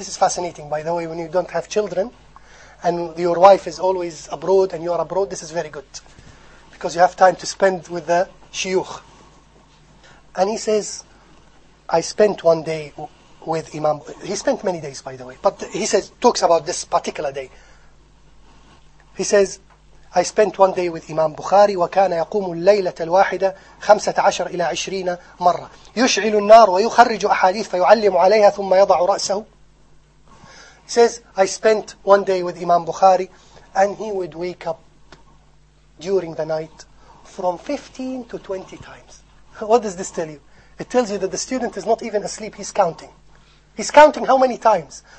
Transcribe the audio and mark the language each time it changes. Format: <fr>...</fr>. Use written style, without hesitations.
<en>And this is fascinating, by the way, when you don't have children. And your wife is always abroad, and you are abroad, this is very good. Because you have time to spend with the shiuch. And he says, I spent one day with Imam. He spent many days, by the way. But he says, talks about this particular day. He says, I spent one day with Imam Bukhari,</en> <ar>وَكَانَ يَقُومُ اللَّيْلَةَ الْوَاحِدَةَ 15 إِلَى 20 مَرَّةً يُشْعِلُ النَّارُ وَيُخَرِّجُ أَحَادِيثَ فَيُعَلِّمُ عَلَيْهَا ثُمَّ يَضَعُ رَأْسَهُ.</ar> <en>He says, I spent one day with Imam Bukhari, and he would wake up during the night from 15 to 20 times. What does this tell you? It tells you that the student is not even asleep, he's counting. He's counting how many times?</en>